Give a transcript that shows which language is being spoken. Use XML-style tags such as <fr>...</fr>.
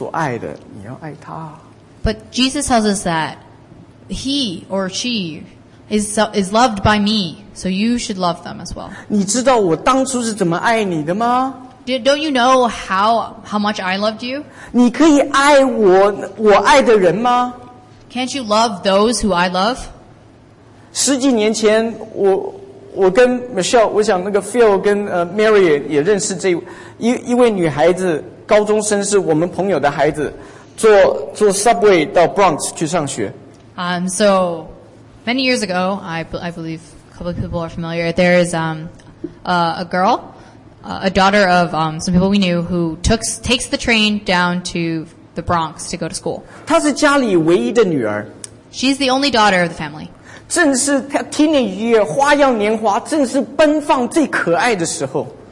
<zh>但是耶稣跟我们说，他是我所爱的，你要爱他。</zh> <en>But Jesus tells us that he or she is loved by me, so you should love them as well.</en> <zh>你知道我当初是怎么爱你的吗？</zh> <en>Don't you know how much I loved you?</en> <zh>你可以爱我爱的人吗？</zh> <en>Can't you love those who I love?</en> <zh>十几年前我 我跟 Michelle， 我想那个 Phil 跟 Mary 也认识这一位女孩子，高中生，是我们朋友的孩子，坐 Subway 到 Bronx 去上学。</zh> <en>So many years ago, I believe a couple of people are familiar. There is a girl, a daughter of some people we knew who takes the train down to the Bronx to go to school.</en> <zh>她是家里唯一的女儿。</zh> <en>She's the only daughter of the family.</en> <zh>正是</zh> <en>teenage year</en> <zh>花样年华，正是奔放最可爱的时候。</zh>